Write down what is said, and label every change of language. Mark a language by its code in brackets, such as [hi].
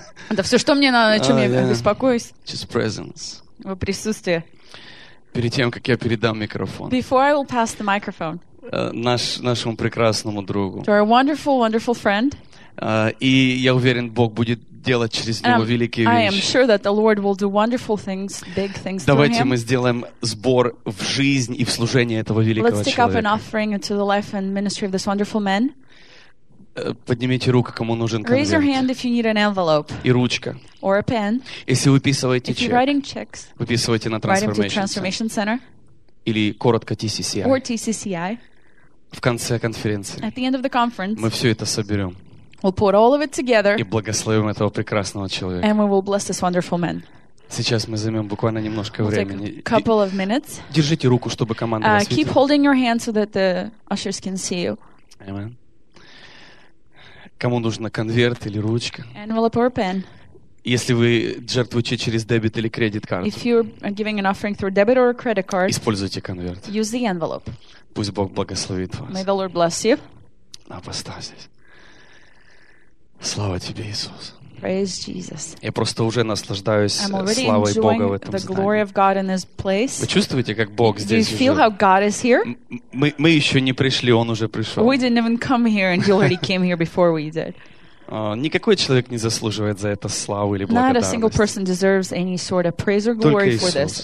[ru] Это все, что мне надо, о чем я беспокоюсь. [en] Just presence. [ru] Его присутствие. Перед тем, как я передам микрофон. [en] Before I will pass the microphone. [ru] Нашему прекрасному другу. [en] To our wonderful, wonderful friend. [ru] И я уверен, Бог будет делать через него великие вещи. [en] I am sure that the Lord will do wonderful things, big things. [ru] Давайте мы сделаем сбор в жизнь и в служение этого великого человека. [en] Let's take up an offering into the life and ministry of this wonderful man. [ru] Поднимите руку, кому нужен конверт. [en] Raise your hand if you need an envelope. [ru] И ручка. [en] Or a pen. [ru] Если выписываете чек. [en] If you're writing checks. [ru] Выписывайте на [en] Transformation Center. [ru] Или коротко TCCI. [en] Or TCCI. [ru] В конце конференции. [en] At the end of the conference. [ru] Мы все это соберем. [en] We'll put all of it together. [ru] И благословим этого прекрасного человека. [en] And we will bless this wonderful man. [ru] Сейчас мы займем буквально немножко времени. [en] We'll take a couple of minutes. [ru] Держите руку, чтобы команда вас видела. [en] Keep holding your hand so that the ushers can see you. Amen. [ru] Кому нужно конверт или ручка? [en] Envelope or pen. [ru] Если вы жертвуете через дебет или кредит карту. [en] If you're giving an offering through debit or a credit card. [ru] Используйте конверт. [en] Use the envelope. [ru] Пусть Бог благословит вас. [en] May the Lord bless you. [ru] Апостазис. Слава тебе, Иисус. [en] Praise Jesus. [ru] Я просто уже наслаждаюсь славой Бога в этом здании. Вы чувствуете, как Бог здесь? [en] Do you feel how God is here? [ru] Мы еще не пришли, Он уже пришел. [en] We didn't even come here, and He already came here before we did. [ru] Никакой человек не заслуживает за это славы или благодарности. [en] Not a single person deserves any sort of praise or glory for this.